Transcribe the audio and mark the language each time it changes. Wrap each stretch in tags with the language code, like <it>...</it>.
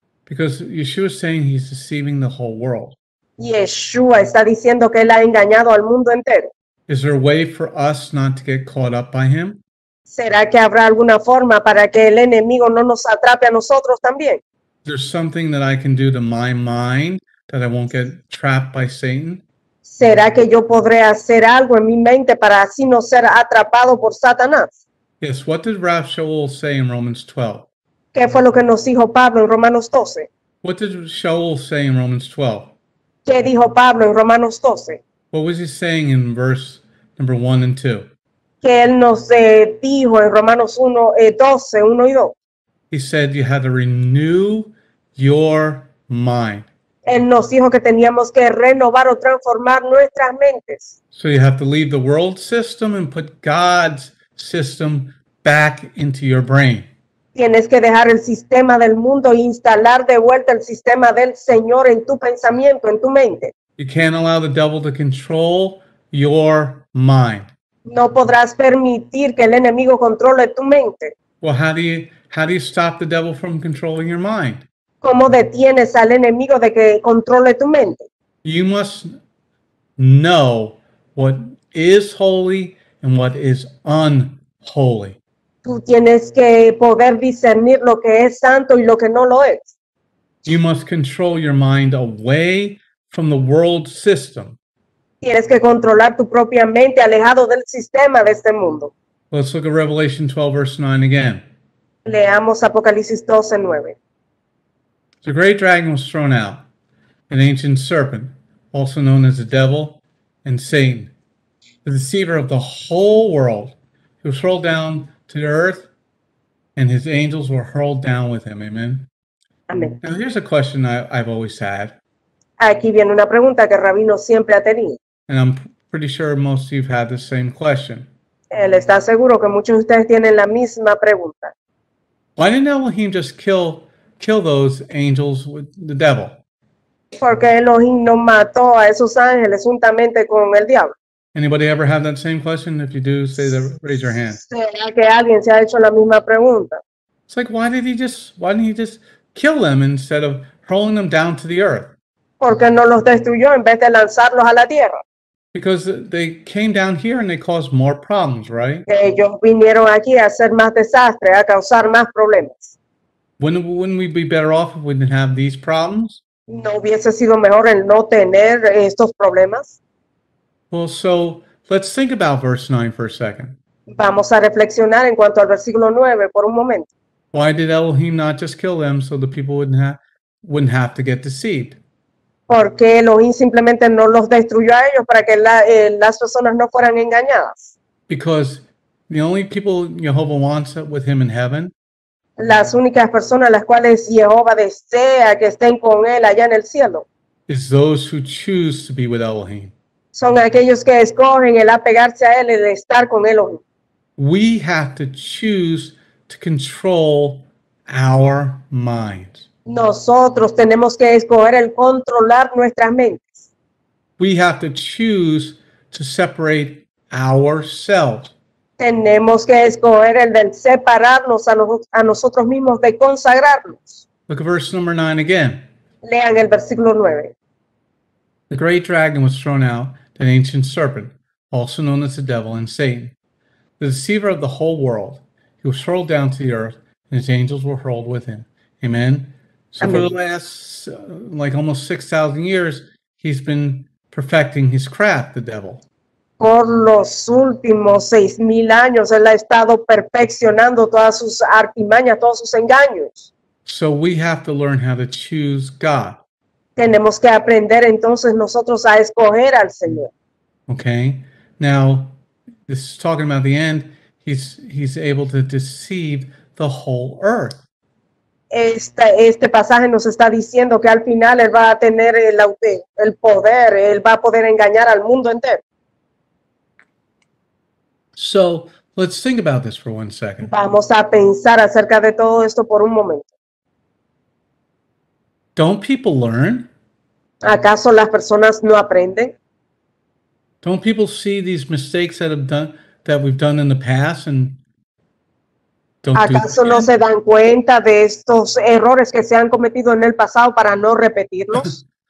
<en>Because Yeshua is saying he's deceiving the whole world.</en> <es>Yeshua está diciendo que él ha engañado al mundo entero.</es> <en>Is there a way for us not to get caught up by him?</en> <es>¿Será que habrá alguna forma para que el enemigo no nos atrape a nosotros también?</es> <en>Is there something that I can do to my mind that I won't get trapped by Satan?</en> <es>¿Será que yo podré hacer algo en mi mente para así no ser atrapado por Satanás?</es> <en>Yes, what did Rav Shaul say in Romans 12?</en> <es>¿Qué fue lo que nos dijo Pablo en Romanos 12?</es> <en>What did Shaul say in Romans 12?</en> <es>¿Qué dijo Pablo en Romanos 12?</es> <en>What was he saying in verse number 1 and 2?</en> <es>Que él nos dijo en Romanos 1:12, 1 y 2.</es> <en>He said you had to renew your mind.</en> <es>Él nos dijo que teníamos que renovar o transformar nuestras mentes.</es> <en>So you have to leave the world system and put God's system back into your brain.</en> <es>Tienes que dejar el sistema del mundo e instalar de vuelta el sistema del Señor en tu pensamiento, en tu mente.</es> <en>You can't allow the devil to control your mind.</en> <es>No podrás permitir que el enemigo controle tu mente.</es> <en>Well, how do you stop the devil from controlling your mind?</en> <es>¿Cómo detienes al enemigo de que controle tu mente?</es> <en>You must know what is holy and what is unholy.</en> <es>Tú tienes que poder discernir lo que es santo y lo que no lo es.</es> <en>You must control your mind away from the world system.</en> <es>Tienes que controlar tu propia mente alejado del sistema de este mundo.</es> <en>Let's look at Revelation 12, verse 9 again.</en> <es>Leamos Apocalipsis 12, 9.</es> <en>The great dragon was thrown out, an ancient serpent, also known as the devil and Satan, the deceiver of the whole world, who was hurled down to the earth, and his angels were hurled down with him. Amen. Amen. Now here's a question I've always had.</en> <es>Aquí viene una pregunta que Rabino siempre ha tenido.</es> <en>And I'm pretty sure most of you have had the same question.</en> <es>Él está seguro que muchos de ustedes tienen la misma pregunta.</es> <en>Why didn't Elohim just kill those angels with the devil?</en> <es>Porque Elohim no mató a esos ángeles juntamente con el diablo.</es> <en>Anybody ever have that same question? If you do, raise your hand.</en> <es>¿Será que alguien se ha hecho la misma pregunta?</es> <en>It's like, why didn't he just kill them instead of hurling them down to the earth?</en> <es>Porque no los destruyó en vez de lanzarlos a la tierra.</es> <en>Because they came down here and they caused more problems, right?</en> <es>Ellos vinieron aquí a hacer más desastre, a causar más problemas.</es> <en>Wouldn't we be better off if we didn't have these problems?</en> <es>¿No hubiese sido mejor el no tener estos problemas?</es> <en>Well, so let's think about verse 9 for a second.</en> <es>Vamos a reflexionar en cuanto al versículo 9 por un momento.</es> <en>Why did Elohim not just kill them so the people wouldn't have to get deceived?</en> <es>¿Por qué Elohim simplemente no los destruyó a ellos para que las personas no fueran engañadas?</es> <en>Because the only people Jehovah wants with him in heaven.</en> <es>Las únicas personas las cuales Jehová desea que estén con él allá en el cielo.</es> <en>Is those who choose to be with Elohim.</en> <es>Son aquellos que escogen el apegarse a él, el estar con Elohim.</es> <en>We have to choose to control our minds.</en> <es>Nosotros tenemos que escoger el controlar nuestras mentes.</es> <en>We have to choose to separate ourselves.</en> <es>Tenemos que escoger el de separarnos a nosotros mismos, de consagrarnos.</es> <en>Look at verse number 9 again.</en> <es>Lean el versículo 9.</es> <en>The great dragon was thrown out, an ancient serpent, also known as the devil and Satan, the deceiver of the whole world. He was hurled down to the earth, and his angels were hurled with him. Amen. So for the last, like almost 6,000 years, he's been perfecting his craft, the devil.</en> <es>Por los últimos 6,000 años, él ha estado perfeccionando todas sus artimañas, todos sus engaños.</es> <en>So we have to learn how to choose God.</en> <es>Tenemos que aprender entonces nosotros a escoger al Señor.</es> <en>Okay. Now, this is talking about the end. He's able to deceive the whole earth.</en> <es>Este pasaje nos está diciendo que al final él va a tener el poder, él va a poder engañar al mundo entero.</es> <en>So, let's think about this for one second.</en> <es>Vamos a pensar acerca de todo esto por un momento.</es> <en>Don't people learn?</en> <es>¿Acaso las personas no aprenden?</es> <en>Don't people see these mistakes that we've done in the past and don't</en> <es>¿Acaso no se dan cuenta de estos errores que se han cometido en el pasado para no repetirlos?</es>